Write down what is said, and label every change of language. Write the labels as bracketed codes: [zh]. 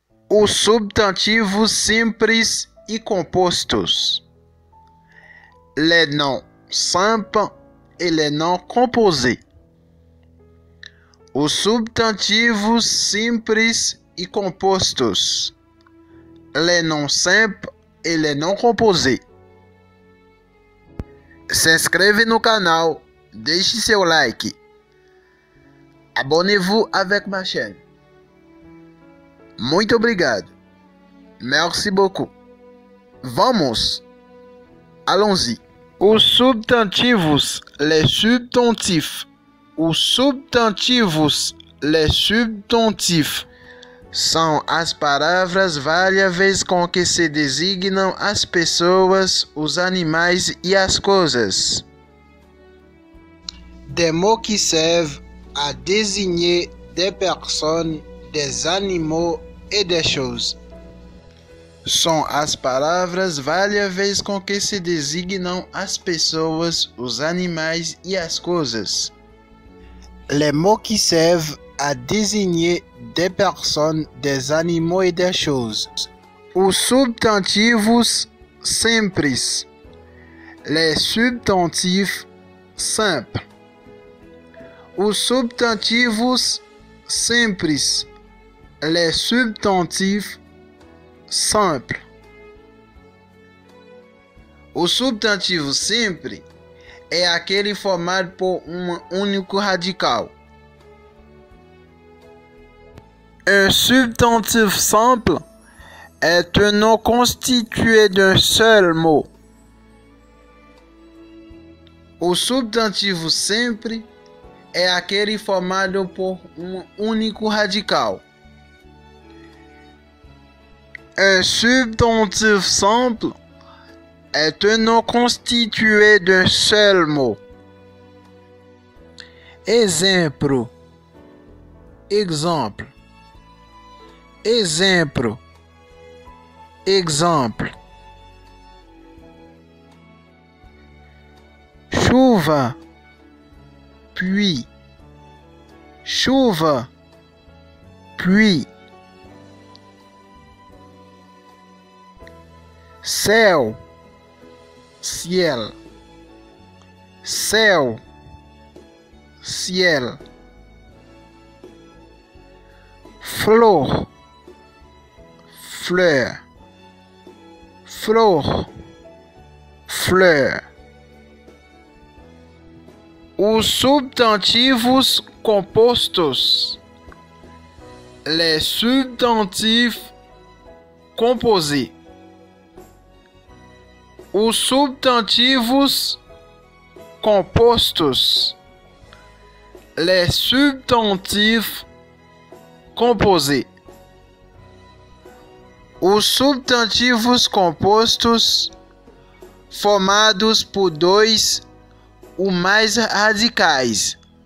[pt] Os substantivos simples e compostos. [fr] Les noms simples et les noms composés. [pt] Os substantivos simples e compostos. [fr] Les noms simples et les noms composés. [pt] Se inscreve no canal, deixe seu like. [fr] Abonnez-vous avec ma chaîne. [pt] Muito obrigado. [fr] Merci beaucoup. [pt] Vamos. [fr] Allons-y. [pt] Os substantivos, [fr] les substantifs. [pt] Os substantivos, [fr] les substantifs. [pt] São as palavras variáveis com que se designam as pessoas, os animais e as coisas. [fr] Des mots qui servent à désigner des personnes, des animaux et des choses. [pt] São as palavras variáveis com que se designam as pessoas, os animais e as coisas. [fr] Les mots qui servent à désigner des personnes, des animaux et des choses. [pt] Os substantivos simples. [fr] Les substantifs simples. [pt] Os substantivos simples. [fr] Les substantifs simples. [pt] O substantivo simples é aquele formado por um único radical. [fr] Un substantif simple est un nom constitué d'un seul mot. [pt] O substantivo simples é aquele formado por um único radical. [fr] Un substantif simple est un nom constitué d'un seul mot. Exemple. Exemple. Exemple. Exemple. [pt] Chuva. Puis. Chuva. Puis. Céu. Ciel. Céu. Ciel. Flor. Fleur. Flor. Fleur. Os substantivos compostos. [fr] Les substantifs composés. [pt] Os substantivos compostos. [fr] Les substantifs composés. [pt] Os substantivos compostos formados por dois ou mais radicais.